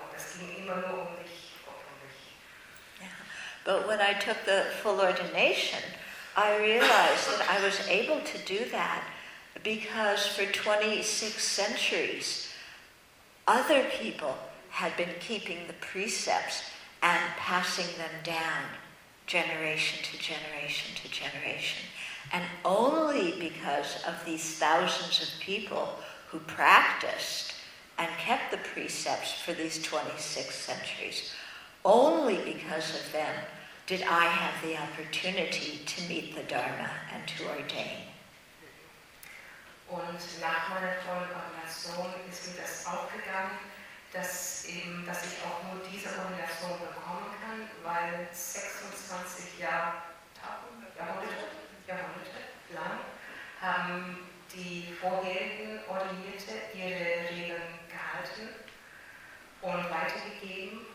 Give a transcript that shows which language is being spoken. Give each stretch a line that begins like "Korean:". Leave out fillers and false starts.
German: Und es ging immer nur um mich und um mich.
English: Yeah. But when I took the full ordination, I realized that I was able to do that because for 26 centuries, other people had been keeping the precepts and passing them down generation to generation to generation. And only because of these thousands of people who practiced and kept the precepts for these 26 centuries, only because of them did I have the opportunity to meet the Dharma and to ordain.
German: Und nach meiner Ordination ist mir das aufgegangen, dass eben, dass ich auch nur diese Ordination bekommen kann, weil 26 Jahrhunderte lang haben die vorherigen Ordinierte ihre Regeln gehalten und weitergegeben.